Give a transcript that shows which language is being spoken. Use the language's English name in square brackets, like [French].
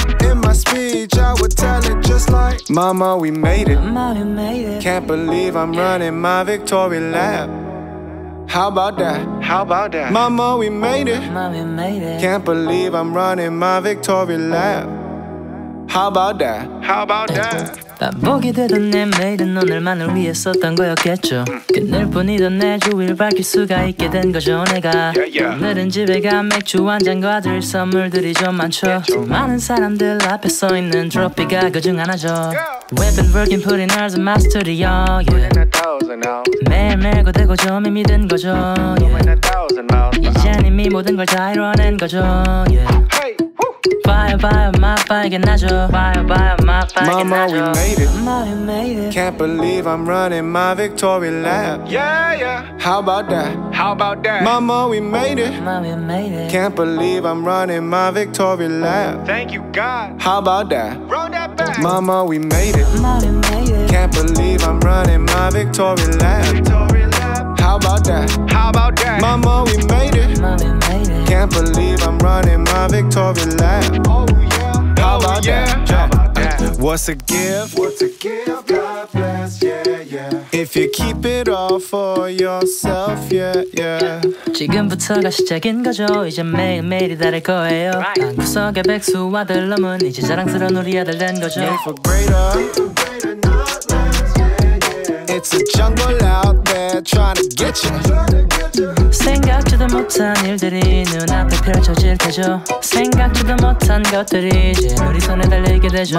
[English] In my speech I would tell it just like, Mama, we made it. Can't believe I'm running my victory lap. How about that? How about that? Mama, we made it. Mama, made it. Can't believe I'm running my victory lap. How about that? How about that? [Korean] 반복이 되던 내 매일은 오늘만을 위해 썼던 거였겠죠. 끝낼 뿐이던 내 주위를 밝힐 수가 있게 된 거죠 내가. 오늘은 집에 가 맥주 한 잔과 들 선물들이 좀 많죠. 많은 사람들 앞에 서 있는 드로피가 그 중 하나죠. [English] We've been working pretty hard in my studio. Yeah. [Korean] 매일매일 고되고 좀 힘이 든 거죠. [English] Yeah. [Korean] 이젠 이미 모든 걸 다 이뤄낸 거죠. [English] Yeah. Fire, fire, my fire, get nacho. Fire, fire, my fire, get nacho. Mama, we made it. Mama, we made it. Can't believe I'm running my victory lap. Yeah, yeah. How about that? How about that? Mama, we made it. Mama, we made it. Can't believe I'm running my victory lap. Thank you, God. How about that? Run that back. Mama, we made it. Mama, we made it. Can't believe I'm running my victory lap. Victory lap. How about that? How about that? Mama, we made it. Mama, we made it. Can't believe I'm running my victory lap. Oh yeah, how about yeah. that? How about that? What's a gift? What's a gift? God bless, yeah, yeah. If you keep it all for yourself, yeah, yeah. [Korean] 지금부터가 시작인 거죠. 이제 매일매일이 다를 거예요. [English] Right. [Korean] 구석에 백수와 들러면 이제 자랑스러운 우리 아들 된 거죠. [English] Made for greater. It's a jungle out there trying to get you. [Korean] 생각지도 못한 일들이 눈앞에 펼쳐질 테죠. 생각지도 못한 것들이 이제 우리 손에 달리게 되죠.